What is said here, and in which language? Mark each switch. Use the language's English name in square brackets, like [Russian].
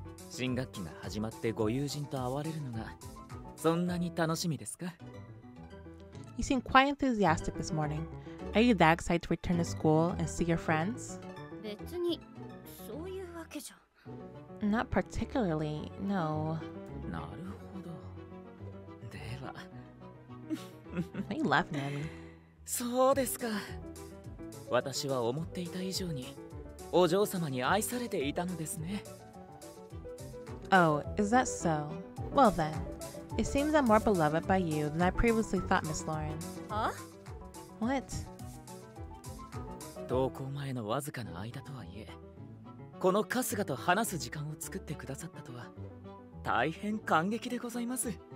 [Japanese] 新学期が始まってご友人と会われるのがそんなに楽しみですか? [English] You seem quite enthusiastic this morning. Are you that excited to return to school and see your friends? [Japanese] 別にそういうわけじゃ。 [English] Not particularly, no. [Japanese] なるほど。では。 [English] Why are you laughing at me? [Japanese] そうですか。私は思っていた以上にお嬢様に愛されていたのですね。 [English] Oh, is that so? Well then, it seems I'm more beloved by you than I previously thought, Miss Lauren. Huh? What? [Japanese] 登校前のわずかな間とはいえ、この春日と話す時間を作ってくださったとは、大変感激でございます。